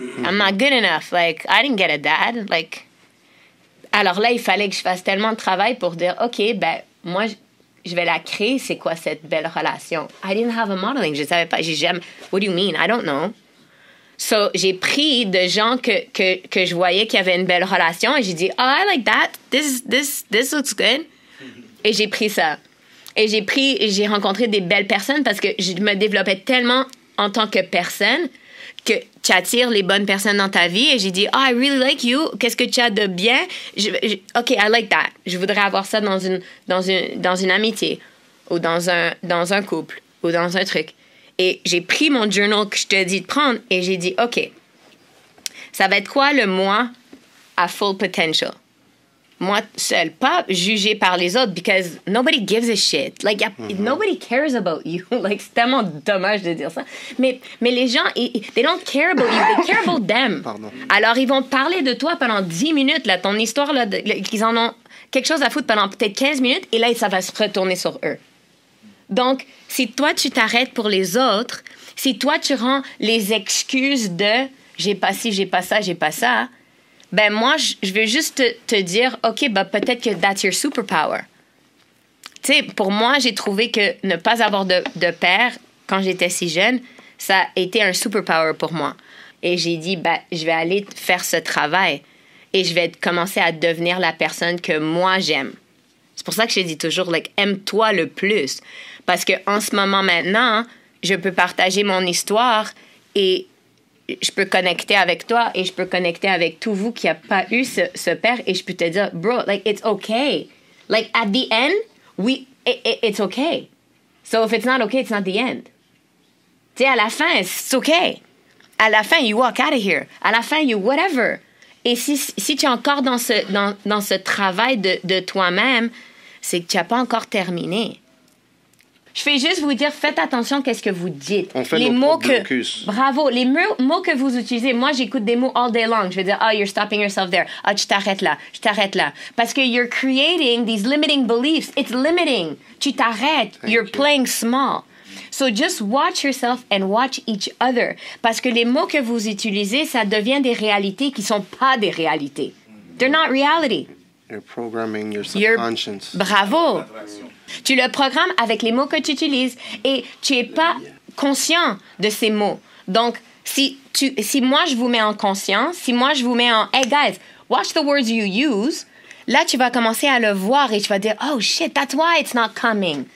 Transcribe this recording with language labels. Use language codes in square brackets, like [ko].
[en] I'm not good enough, like I didn't get a dad, like. [fr] Alors là, il fallait que je fasse tellement de travail pour dire, OK, ben, moi, je vais la créer. C'est quoi cette belle relation? [en] I didn't have a modeling. [fr] Je ne savais pas. [en] What do you mean? I don't know. [fr] So, j'ai pris de gens que je voyais qui avaient une belle relation et j'ai dit, [en] oh, I like that. This looks good. [fr] Et j'ai pris ça. Et j'ai rencontré des belles personnes parce que je me développais tellement en tant que personne que tu attires les bonnes personnes dans ta vie. Et j'ai dit, oh, [en] I really like you. [fr] Qu'est-ce que tu as de bien? [en] OK, I like that. [fr] Je voudrais avoir ça dans une amitié ou dans un couple ou dans un truc. Et j'ai pris mon journal que je te dis de prendre et j'ai dit, OK, ça va être quoi le moi à full potential? Moi seul, pas jugé par les autres, [en] because nobody gives a shit. Like, nobody cares about you. [fr] Like, c'est tellement dommage de dire ça. Mais les gens, [en] they don't care about you, they care about them. [fr] Pardon. Alors, ils vont parler de toi pendant 10 minutes, là, ton histoire, là, qu'ils en ont quelque chose à foutre pendant peut-être 15 minutes, et là, ça va se retourner sur eux. Donc, si toi, tu t'arrêtes pour les autres, si toi, tu rends les excuses de « j'ai pas ci, j'ai pas ça », ben moi, je veux juste te dire, OK, ben peut-être que [en] that's your superpower. [fr] Tu sais, pour moi, j'ai trouvé que ne pas avoir de père quand j'étais si jeune, ça a été un superpower pour moi. Et j'ai dit, ben, je vais aller faire ce travail et je vais commencer à devenir la personne que moi j'aime. C'est pour ça que je dis toujours, like, aime-toi le plus. Parce qu'en ce moment maintenant, je peux partager mon histoire et je peux connecter avec toi et je peux connecter avec tout vous qui n'a pas eu ce père et je peux te dire, bro, like, [en] it's okay. Like, at the end, it's okay. So, if it's not okay, it's not the end. [fr] Tu sais, à la fin, [en] it's okay. [fr] À la fin, [en] you walk out of here. [fr] À la fin, [en] you whatever. [fr] Et si tu es encore dans ce travail de toi-même, c'est que tu n'as pas encore terminé. Je fais juste vous dire, faites attention à ce que vous dites. On fait les nos mots que, bravo, les mots que vous utilisez. Moi, j'écoute des mots [en] all day long. [fr] Je vais dire, [en] oh, you're stopping yourself there. [fr] Oh, je t'arrête là. Parce que [en] you're creating these limiting beliefs. It's limiting. [fr] Tu t'arrêtes. [en] Thank you're you. Playing small. So just watch yourself and watch each other. [fr] Parce que les mots que vous utilisez, ça devient des réalités qui ne sont pas des réalités. [en] They're not reality. You're programming your subconscious. [fr] Bravo. Tu le programmes avec les mots que tu utilises et tu n'es pas conscient de ces mots. Donc, si moi, je vous mets en conscience, si moi, je vous mets en « [en] Hey, guys, watch the words you use [fr] », là, tu vas commencer à le voir et tu vas dire « [en] Oh, shit, that's why it's not coming.